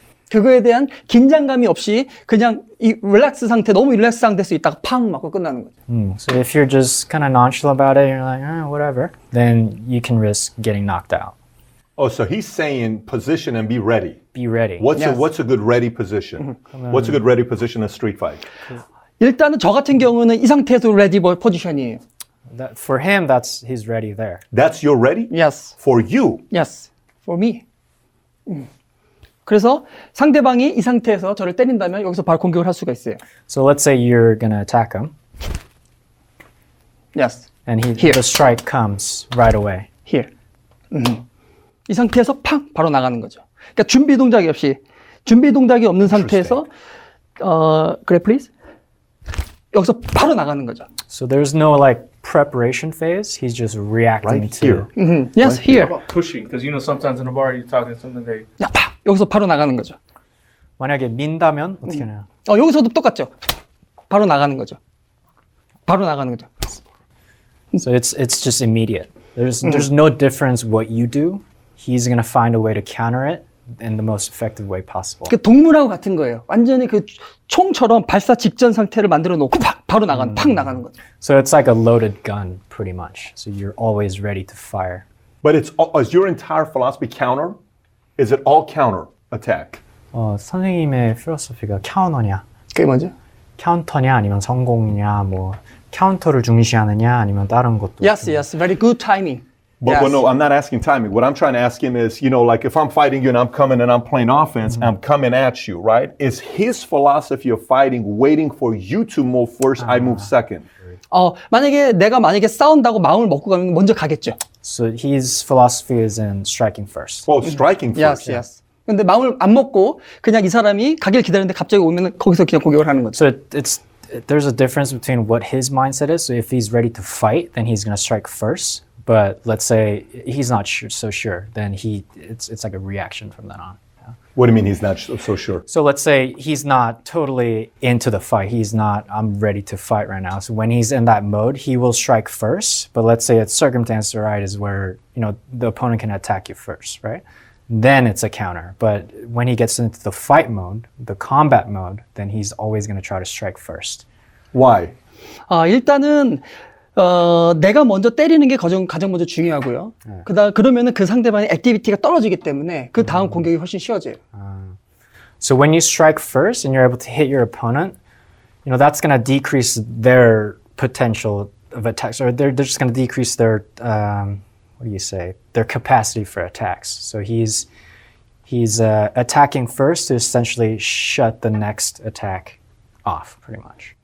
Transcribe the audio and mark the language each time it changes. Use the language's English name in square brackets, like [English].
[Korean] 그거에 대한 긴장감이 없이 그냥 이 릴렉스 상태 너무 릴렉스 상태에서 있다가 팡 맞고 끝나는 거죠. [English] So if you're just kind of nonchalant about it, you're like, whatever, then you can risk getting knocked out. Oh, so he's saying position and be ready. Be ready. What's a good ready position? What's a good ready position in a street fight? [Korean] 일단은 저 같은 경우는 이 상태에서 레디 포지션이에요. [English] That, for him, that's his ready there. That's your ready? Yes. For you? Yes. For me. [Korean] 그래서 상대방이 이 상태에서 저를 때린다면 여기서 바로 공격을 할 수가 있어요. [English] So let's say you're going to attack him. Yes. And the strike comes right away. Here. [Korean] 이 상태에서 팡! 바로 나가는 거죠. 그러니까 준비 동작이 없이, 준비 동작이 없는 상태에서 그래, please. 여기서 바로 나가는 거죠. [English] So there's no like preparation phase. He's just reacting right to here. Yes, right here. What about pushing? Because you know sometimes in a bar you're talking something they. [Korean] 야, 파! 여기서 바로 나가는 거죠. 만약에 민다면 어떻게 해요? 여기서도 똑같죠. 바로 나가는 거죠. 바로 나가는 거죠. [English] So it's just immediate. There's no difference what you do. He's gonna find a way to counter it in the most effective way possible. 그 동물하고 같은 거예요. 완전히 그 총처럼 발사 직전 상태를 만들어 놓고 팍 바로 나가는 팍 나가는 거죠. So it's like a loaded gun pretty much. So you're always ready to fire. But is your entire philosophy counter? Is it all counter attack? [Korean] 선생님의 필로소피가 카운터냐? 그게 뭐죠? 카운터냐 아니면 성공이냐 뭐 카운터를 중시하느냐 아니면 다른 것도 [English] Yes, [Korean] 좀... [English] yes, very good timing. But, yes. but no, I'm not asking timing. What I'm trying to ask him is, you know, like if I'm fighting you and I'm coming and I'm playing offense, I'm coming at you, right? Is his philosophy of fighting waiting for you to move first, I move second? [Korean] 만약에 싸운다고 마음을 먹고 가면 먼저 가겠죠. [English] So his philosophy is in striking first. Oh, striking first. Yes, yes. [Korean] 근데 마음을 안 먹고 그냥 이 사람이 가길 기다리는데 갑자기 오면 거기서 그냥 공격을 하는 거죠. [English] So there's a difference between what his mindset is. So if he's ready to fight, then he's going to strike first. But let's say he's not so sure, then it's like a reaction from then on. Yeah. What do you mean he's not so sure? So let's say he's not totally into the fight. He's not, I'm ready to fight right now. So when he's in that mode, he will strike first. But let's say it's circumstance right is where, you know, the opponent can attack you first, right? Then it's a counter. But when he gets into the fight mode, the combat mode, then he's always going to try to strike first. Why? [Korean] 일단은 내가 먼저 때리는 게 가장 먼저 중요하고요. 네. 그러면은 그 상대방의 액티비티가 떨어지기 때문에 그 다음 공격이 훨씬 쉬워져요. [English] So when you strike first and you're able to hit your opponent, you know that's going to decrease their potential of attacks or they're just going to decrease their what do you say? Their capacity for attacks. So he's attacking first to essentially shut the next attack off pretty much.